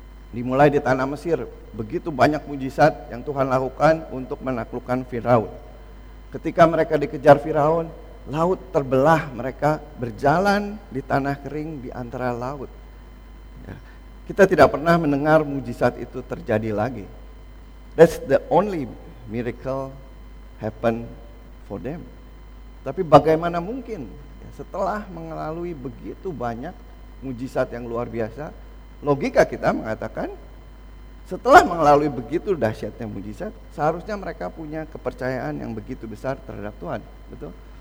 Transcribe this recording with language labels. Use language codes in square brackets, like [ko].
[id] Dimulai di tanah Mesir, begitu banyak mujizat yang Tuhan lakukan untuk menaklukkan Firaun. Ketika mereka dikejar Firaun, laut terbelah, mereka berjalan di tanah kering di antara laut. Kita tidak pernah mendengar mujizat itu terjadi lagi. [en] That's the only miracle happen for them. [id] Tapi bagaimana mungkin setelah melalui begitu banyak mujizat yang luar biasa, logika kita mengatakan setelah melalui begitu dahsyatnya mujizat, seharusnya mereka punya kepercayaan yang begitu besar terhadap Tuhan, betul?